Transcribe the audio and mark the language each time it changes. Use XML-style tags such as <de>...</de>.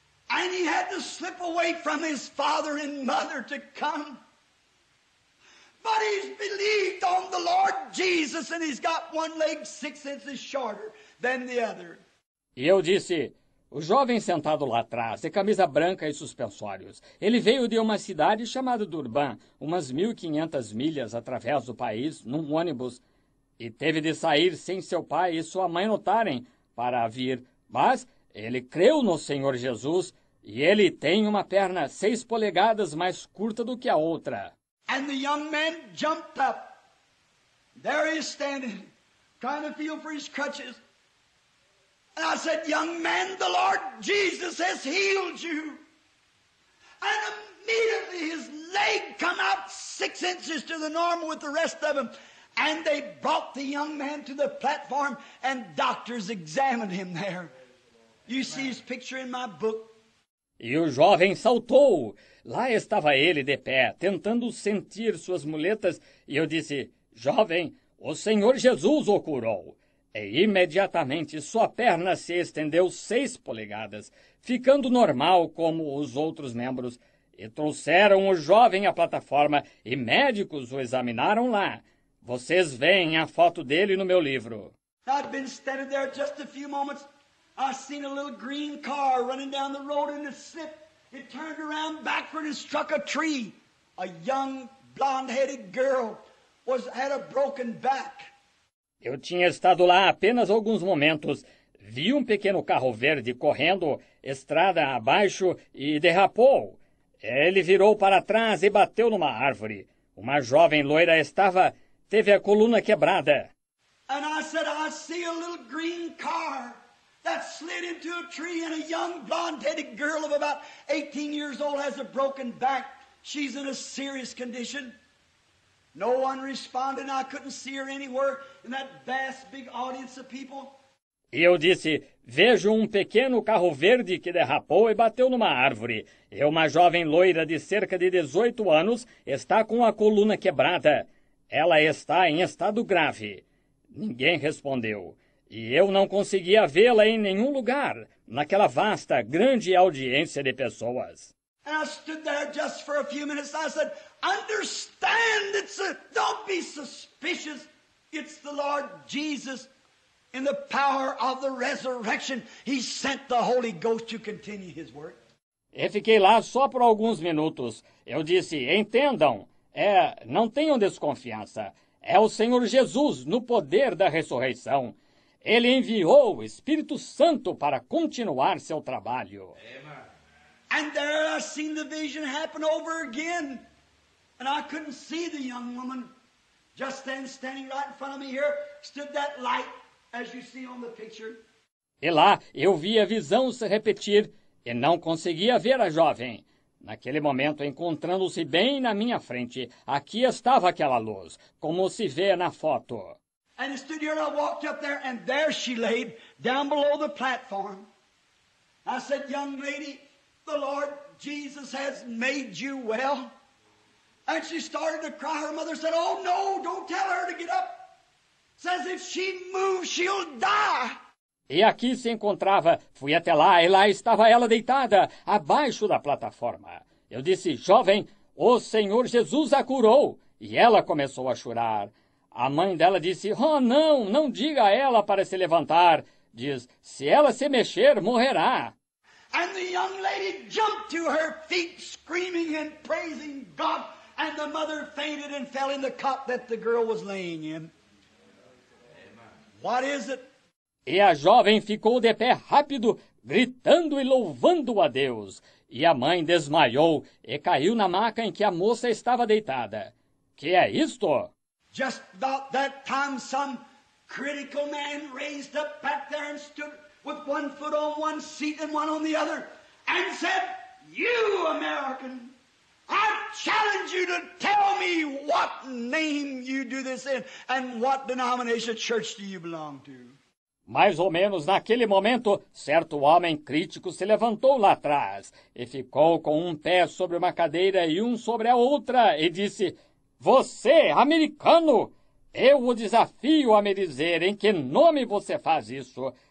<en>And he had to slip away from his father and mother to come. But he's believed on the Lord Jesus and he's got one leg 6 inches shorter than the other.</en> <pt>E eu disse: o jovem sentado lá atrás, de camisa branca e suspensórios, ele veio de uma cidade chamada Durban, umas 1.500 milhas através do país, num ônibus, e teve de sair sem seu pai e sua mãe notarem para vir. Mas ele creu no Senhor Jesus e ele tem uma perna 6 polegadas mais curta do que a outra.</pt> <en>And the young man jumped up. There he is standing, trying to feel for his crutches. And I said, young man, the Lord Jesus has healed you. And immediately his leg come out 6 inches to the normal with the rest of him. And they brought the young man to the platform and doctors examined him there. You see his picture in my book.</en> <pt>E o jovem saltou. Lá estava ele de pé, tentando sentir suas muletas. E eu disse, jovem, o Senhor Jesus o curou. E imediatamente sua perna se estendeu 6 polegadas, ficando normal como os outros membros. E trouxeram o jovem à plataforma e médicos o examinaram lá. Vocês veem a foto dele no meu livro.</pt> <en>I've been standing there just a few moments. I seen a little green car running down the road and it slipped. It turned around backward and struck a tree. A young blonde-headed girl had a broken back.</en> <pt>Eu tinha estado lá apenas alguns momentos. Vi um pequeno carro verde correndo, estrada abaixo, e derrapou. Ele virou para trás e bateu numa árvore. Uma jovem loira teve a coluna quebrada.</pt> <en>And I said, I see a little green car that slid into a tree and a young blonde-headed girl of about 18 years old has a broken back. She's in a serious condition. No one responded. I couldn't see her anywhere in that vast big audience of people.</en> <pt>E eu disse, vejo um pequeno carro verde que derrapou e bateu numa árvore. E uma jovem loira de cerca de 18 anos está com a coluna quebrada. Ela está em estado grave. Ninguém respondeu. E eu não conseguia vê-la em nenhum lugar, naquela vasta, grande audiência de pessoas.</pt> <en>And I stood there just for a few minutes. I said, understand, don't be suspicious. It's the Lord Jesus in the power of the resurrection. He sent the Holy Ghost to continue his work.</en> <pt>E fiquei lá só por alguns minutos. Eu disse, entendam, não tenham desconfiança. É o Senhor Jesus no poder da ressurreição. Ele enviou o Espírito Santo para continuar seu trabalho.</pt> <en>Amen. And there I seen the vision happen over again. And I couldn't see the young woman. Just then, standing right in front of me here, stood that light, as you see on the picture.</en> <pt>E lá, eu vi a visão se repetir, e não conseguia ver a jovem. Naquele momento, encontrando-se bem na minha frente, aqui estava aquela luz, como se vê na foto.</pt> <en>And I stood here, and I walked up there, and there she laid, down below the platform. I said, young lady, the Lord Jesus has made you well. And she started to cry. Her mother said, oh no, don't tell her to get up. Says if she moves, she'll die.</en> <pt>E aqui se encontrava. Fui até lá e lá estava ela deitada, abaixo da plataforma. Eu disse, jovem, o Senhor Jesus a curou. E ela começou a chorar. A mãe dela disse, oh não, não diga a ela para se levantar. Diz, se ela se mexer, morrerá.</pt> <en>And the young lady jumped to her feet, screaming and praising God. And the mother fainted and fell in the cot that the girl was laying in. What is it?</en> <pt>E a jovem ficou de pé rápido, gritando e louvando a Deus. E a mãe desmaiou e caiu na maca em que a moça estava deitada. Que é isto?</pt> <en>Just about that time, some critical man raised up back there and stood with one foot on one seat and one on the other, and said, you, American, I challenge you to tell me what name you do this in and what denomination church do you belong to.</en> <pt>Mais ou menos naquele momento, certo homem crítico se levantou lá atrás e ficou com um pé sobre uma cadeira e um sobre a outra e disse, você, americano, eu o desafio a me dizer em que nome você faz isso.</pt>